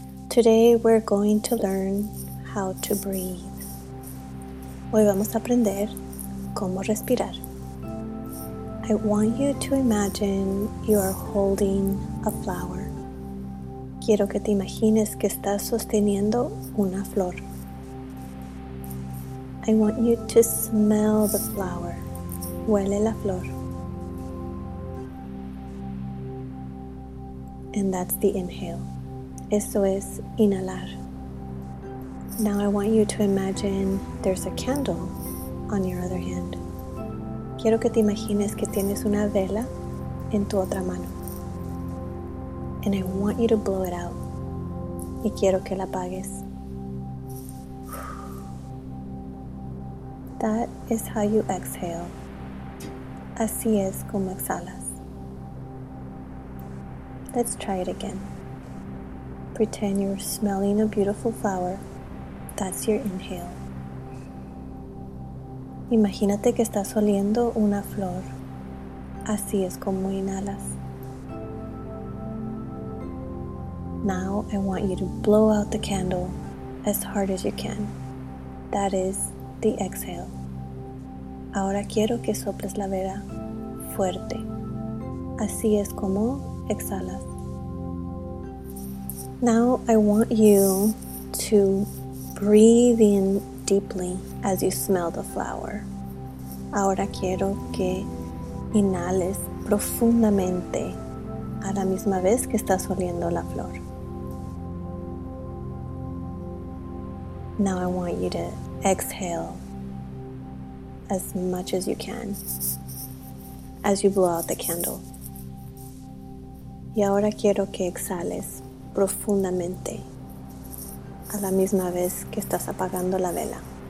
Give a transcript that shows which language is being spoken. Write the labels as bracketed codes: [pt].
[en] Today we're going to learn how to breathe. [es] Hoy vamos a aprender cómo respirar. [en] I want you to imagine you are holding a flower. [es] Quiero que te imagines que estás sosteniendo una flor. [en] I want you to smell the flower. [es] Huele la flor. [en] And that's the inhale. [es] Eso es inhalar. [en] Now I want you to imagine there's a candle on your other hand. [es] Quiero que te imagines que tienes una vela en tu otra mano. [en] And I want you to blow it out. [es] Y quiero que la apagues. [en] That is how you exhale. [es] Así es como exhalas. [en] Let's try it again. Pretend you're smelling a beautiful flower. That's your inhale. [es] Imagínate que estás oliendo una flor. Así es como inhalas. [en] Now I want you to blow out the candle as hard as you can. That is the exhale. [es] Ahora quiero que soples la vela fuerte. Así es como exhalas. [en] Now I want you to breathe in deeply as you smell the flower. [es] Ahora quiero que inhales profundamente a la misma vez que estás oliendo la flor. [en] Now I want you to exhale as much as you can as you blow out the candle. [es] Y ahora quiero que exhales profundamente a la misma vez que estás apagando la vela.